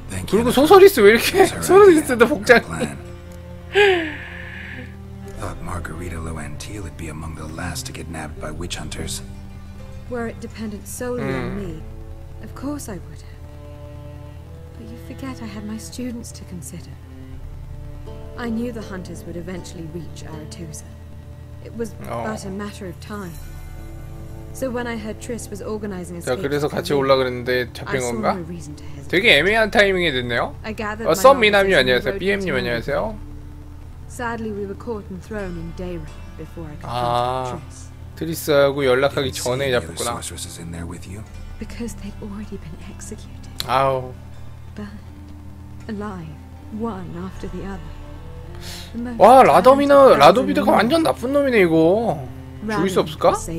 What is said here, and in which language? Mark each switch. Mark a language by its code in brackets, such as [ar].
[ko] 그리고 소설이스 왜 이렇게 소설이스도 복장이. [en] Thought Margarita Loantiel would be among the last to get nabbed by witch hunters. Were it dependent solely on me, of course I would have. But you forget I had my students to consider. I knew the hunters would eventually reach Aretusa. It was but a matter of time. So when I heard Triss was organizing a escape, [ko] 자 그래서 같이 올라 그랬는데 잡힌 건가? 되게 애매한 타이밍이 됐네요. 어, 썸 미남님 안녕하세요. BM님 안녕하세요. [en] Sadly, we were caught and thrown in Daira before I could contact Triss. [ko] 트리스하고 연락하기 전에 잡혔구나. [en] Because they've already been executed. 아우. But alive, one after the other. [ko] 와 라더미나 라도비드가 완전 나쁜 놈이네 이거 죽일 수 없을까?